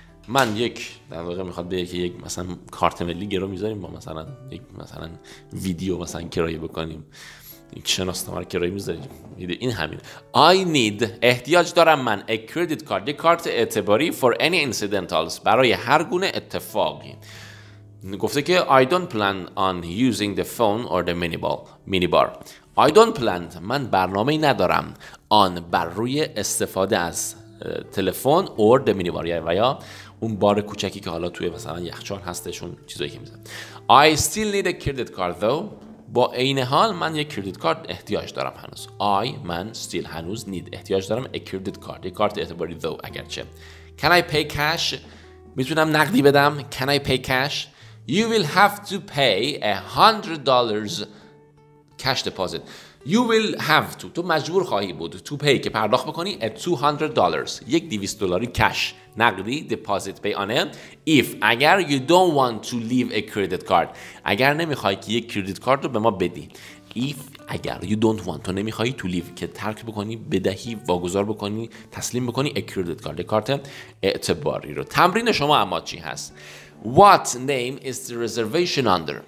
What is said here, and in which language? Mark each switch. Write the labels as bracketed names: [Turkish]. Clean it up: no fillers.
[Persian] من یک در واقع میخواد بگه که یک مثلا کارت ملی گرو میذاریم با مثلا یک مثلا ویدیو مثلا کرایه بکنیم، یک شناسنامه رو کرایه میذاریم. این همین. [English] I need، [Persian] احتیاج دارم من، a credit card، یک کارت اعتباری، [English] for any incidentals، [Persian] برای هر گونه اتفاقی. گفته که [English] I don't plan on using the phone or the minibar. I don't plan، [Persian] من برنامه ندارم آن بر روی استفاده از تلفن [English] or the minibar، [Persian] و یا اون بار کوچکی که حالا توی مثلا یخچال هستشون چیزایی که میزن. [English] I still need a credit card though، [Persian] با این حال من یک [English] credit card [Persian] احتیاج دارم هنوز. I، من، [English] still، [Persian] هنوز، [English] need، [Persian] احتیاج دارم، a credit card، یک کارت اعتباری [English] though، [Persian] اگرچه. [English] Can I pay cash، [Persian] میتونم نقدی بدم. [English] Can I pay cash؟ You will have to pay $100 cash deposit. You will have to. [Persian] تو مجبور خواهی بود [English] to pay [Persian] که پرداخت بکنی [English] at $200. یک $200 cash. [Persian] نقدی [English] deposit pay on it. If [Persian] اگر [English] you don't want to leave a credit card. [Persian] اگر نمیخوای که یک credit card رو به ما بدی. If اگر [English] you don't want [Persian] تو نمیخوای [English] to leave [Persian] که ترک بکنی بدهی واگذار بکنی تسلیم بکنی a credit card. کارت اعتباری رو. تمرین شما اما چی هست؟ [English] What name is the reservation under?